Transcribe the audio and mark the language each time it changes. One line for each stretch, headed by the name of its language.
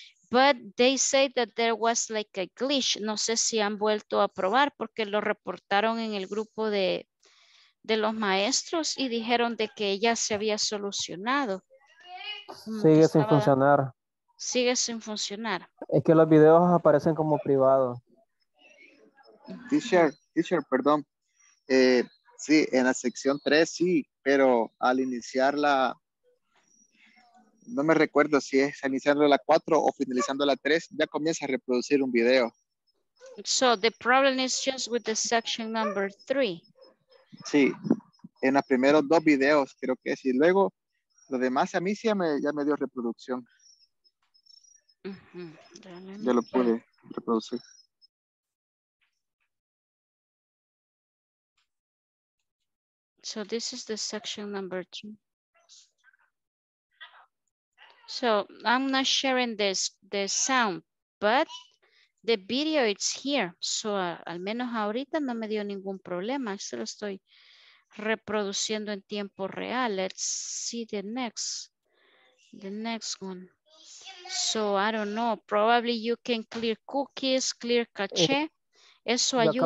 English: But they say that there was like a glitch.
Spanish: No sé si han vuelto a probar porque lo reportaron en el grupo de los maestros y dijeron de que ya se había solucionado. Sigue sin funcionar. Sigue sin funcionar. Es que los videos aparecen como privados. Teacher, perdón. Sí, en la sección 3 sí, pero al iniciar la... No me recuerdo si es iniciando la 4 o finalizando la 3, ya comienza a reproducir un video.
English: So the problem is just with the section number 3.
Spanish: Sí, en los primeros dos videos creo que es, y luego lo demás a mí sí ya me dio reproducción. Mm-hmm. Ya lo pude reproducir.
English: So this is the section number 2. So I'm not sharing the sound, but the video is here.
Spanish: So al menos ahorita no me dio ningún problema. Se lo estoy reproduciendo en tiempo real.
English: Let's see the next one. So I don't know. Probably you can clear cookies, clear cache.
Spanish: Eso ayuda.